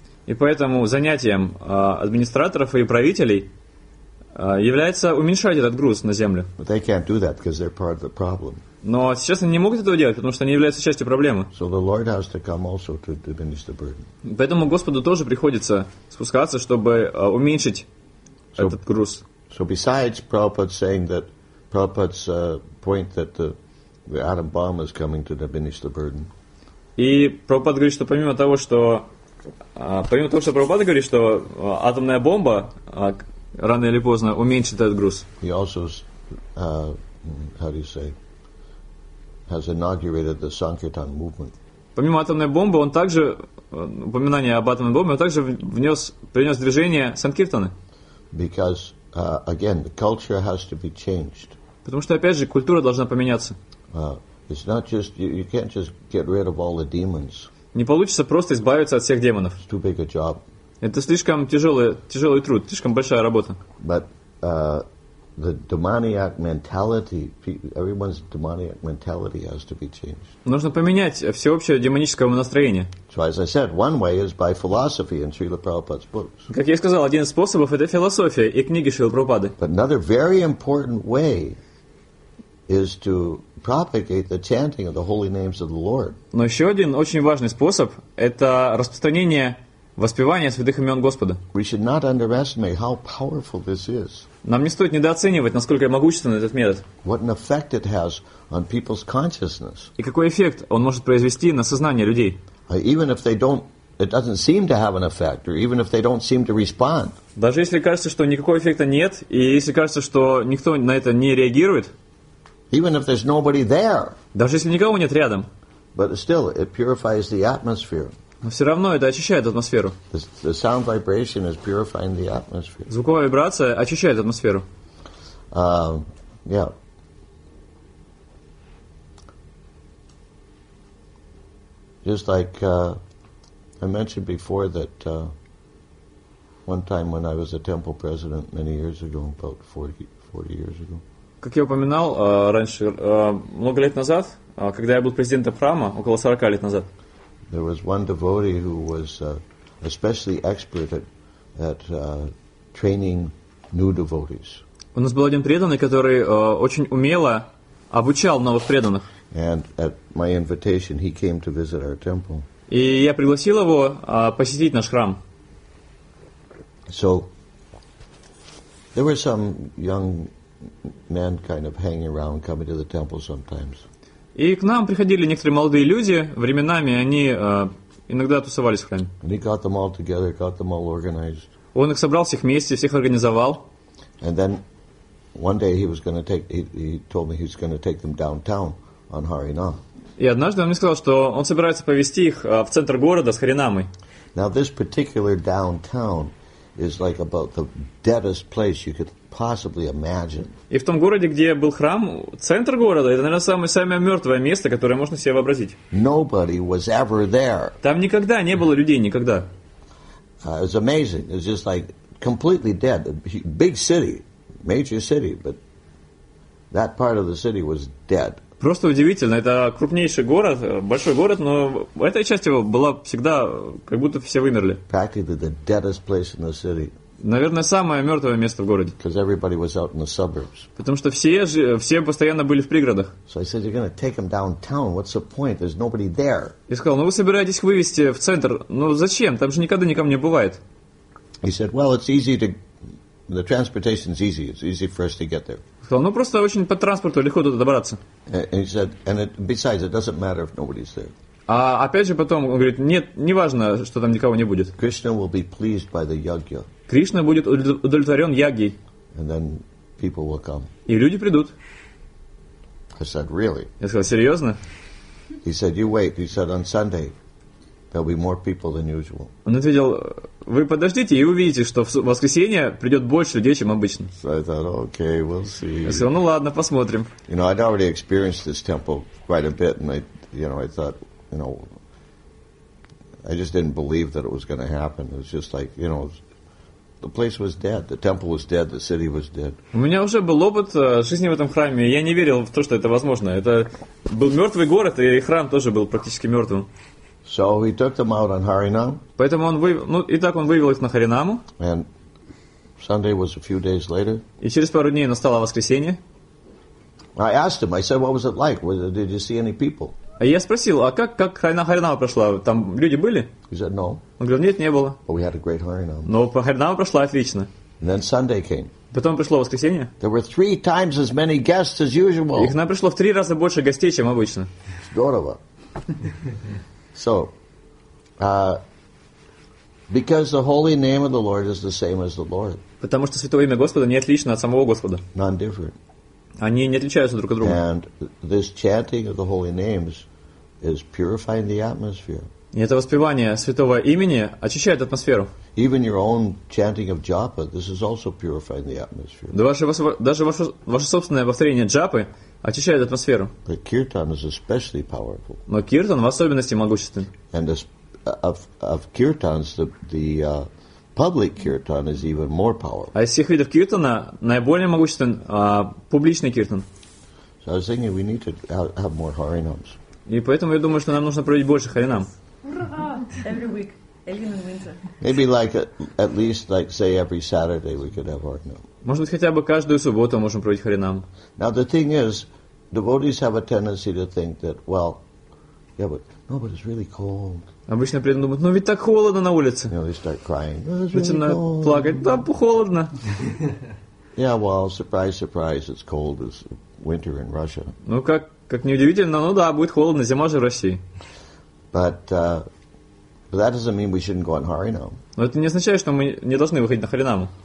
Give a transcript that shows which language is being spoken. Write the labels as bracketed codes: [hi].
[ru] И поэтому занятием администраторов и правителей является уменьшать этот груз на землю. [en] But they can't do that because they're part of the problem. [ru] Но сейчас они не могут этого делать, потому что они являются частью проблемы. [en] So the Lord has to come also to diminish the burden. [ru] Поэтому Господу тоже приходится спускаться, чтобы уменьшить этот груз. [en] So besides Prabhupada saying that Prabhupada's point that the atom bomb is coming to diminish the burden. [ru] И Прабхупада говорит, что помимо того, что Прабхупада говорит, что атомная бомба рано или поздно уменьшит этот груз. [en] He also how do you say has inaugurated the Sankirtan movement. [ru] Помимо атомной бомбы, он также упоминание об атомной бомбе, он также принес движение Санкиртаны. [en] Because again, the culture has to be changed. [ru] Потому что, опять же, культура должна поменяться. [en] It's not just you can't just get rid of all the demons. [ru] Не получится просто избавиться от всех демонов. [en] It's too big a job. [ru] Это слишком тяжелый труд, слишком большая работа. [en] But the demoniac mentality, everyone's demoniac mentality has to be changed. [ru] Нужно поменять всеобщее демоническое настроение. [en] So as I said, one way is by philosophy in Srila Prabhupada's books. [ru] Как я сказал, один из способов это философия и книги Шрилы Прабхупады. [en] But another very important way is to propagate the chanting of the holy names of the Lord. [ru] Но еще один очень важный способ это распространение воспевания святых имен Господа. [en] We should not underestimate how powerful this is. [ru] Нам не стоит недооценивать, насколько могущественен этот метод. [en] What an effect it has on people's consciousness. [ru] И какой эффект он может произвести на сознание людей. [en] Even if they don't, it doesn't seem to have an effect, or even if they don't seem to respond. [ru] Даже если кажется, что никакого эффекта нет, и если кажется, что никто на это не реагирует. [en] Even if there's nobody there. [ru] Даже если никого нет рядом. [en] But still, it purifies the atmosphere. [ru] Но все равно это очищает атмосферу. [en] The sound vibration is purifying the atmosphere. [ru] Звуковая вибрация очищает атмосферу. [en] Yeah. Just like I mentioned before that one time when I was a temple president many years ago, about 40 years ago. [ru] Как я упоминал раньше, много лет назад, когда я был президентом храма, около 40 лет назад. [en] There was one devotee who was especially expert at training new devotees. [ru] У нас был один преданный, который очень умело обучал новых преданных. [en] And at my invitation, he came to visit our temple. [ru] И я пригласил его посетить наш храм. [en] So there were some young men kind of hanging around, coming to the temple sometimes. [ru] И к нам приходили некоторые молодые люди, временами они иногда тусовались в храме. [en] And he got them all together, got them all organized. [ru] Он их собрал всех вместе, всех организовал. [en] And then one day he was going to take, he told me he was going to take them downtown on Harinam. [ru] И однажды он мне сказал, что он собирается повезти их в центр города с Харинамой. [en] Now this particular downtown is like about the deadest place you could possibly imagine. [ru] И в том городе, где был храм, центр города, это, наверное, самое мертвое место, которое можно себе вообразить. [en] Nobody was ever there. [ru] Там никогда не было людей, никогда. [en] It's amazing. It's just like completely dead. A big city, major city, but that part of the city was dead. [ru] Просто удивительно. Это крупнейший город, большой город, но эта часть его была всегда, как будто все вымерли. [en] Practically the deadest place in the city. [ru] Наверное, самое мертвое место в городе. [en] Because everybody was out in the suburbs. [ru] Потому что все постоянно были в пригородах. [en] So I said, you're going to take them downtown. What's the point? There's nobody there. [ru] И сказал, ну вы собираетесь вывести в центр. Ну зачем? Там же никогда никому не бывает. [en] He said, well, it's easy to... The transportation is easy. It's easy for us to get there. [ru] Сказал, ну просто очень по транспорту легко туда добраться. [en] And he said, and it, besides, it doesn't matter if nobody's there. [ru] А опять же потом он говорит, нет, не важно, что там никого не будет. [en] Krishna will be pleased by the yagya. [ru] Кришна будет удовлетворен ягьей. [en] And then people will come. [ru] И люди придут. [en] I said, really? [ru] Я сказал, серьезно? [en] He said, you wait. He said, on Sunday, there'll be more people than usual. [ru] Он ответил, вы подождите и увидите, что в воскресенье придет больше людей, чем обычно. [en] So I thought, okay, we'll see. [ru] Я сказал, ну ладно, посмотрим. [en] You know, I'd already experienced this temple quite a bit, and I thought, you know, I just didn't believe that it was going to happen. It was just like, you know, the place was dead, the temple was dead, the city was dead. [ru] У меня уже был опыт жизни в этом храме, я не верил в то, что это возможно. Это был мертвый город, и храм тоже был практически мертвым. [en] So he took them out on Harinam. [ru] Поэтому он он вывел их на Харинаму. [en] And Sunday was a few days later. [ru] И через пару дней настало воскресенье. [en] I asked him. I said, "What was it like? Did you see any people?" [ru] Я спросил, а как Харинама прошла? Там люди были? [en] He said, no. [ru] Он говорил, нет, не было. [en] But we had a great Harinama. [ru] Но Харинама прошла отлично. [en] And then Sunday came. [ru] Потом пришло воскресенье. [en] There were three times as many guests as usual. [ru] Их нам пришло в три раза больше гостей, чем обычно. Здорово. [en] So, because the holy name of the Lord is the same as the Lord. [ru] Потому что святое имя Господа не отлично от самого Господа. [en] Non-different. [ru] Они не отличаются друг от друга. [en] And this chanting of the holy names is purifying the atmosphere. [ru] И это воспевание святого имени очищает атмосферу. [en] Even your own chanting of Japa, this is also purifying the atmosphere. [ru] Даже ваше собственное повторение Джапы очищает атмосферу. [en] But kirtan is especially powerful. [ru] Но киртан в особенности могуществен. [en] And of kirtans, the public kirtan is even more powerful. [ru] А из всех видов киртана наиболее могуществен публичный киртан. [en] So I was thinking we need to have more харинамс. [ru] И поэтому я думаю, что нам нужно проводить больше харинам. [en] Maybe like at least like say every Saturday we could have Harinam. [ru] Может быть хотя бы каждую субботу можем проводить харинам. [en] Now the thing is, devotees have a tendency to think that, well, yeah, but no, but it's really cold. [ru] Обычно преданные думают, ну ведь так холодно на улице. [en] You know, they start crying. [ru] Начинают плакать, там холодно. [en] Yeah, well, surprise, surprise, it's cold as winter in Russia. [ru] Ну как неудивительно, ну да, будет холодно, зима же в России. [en] But that doesn't mean we shouldn't go on Harinam. [ru] Но это не означает, что мы не должны выходить на харинаму.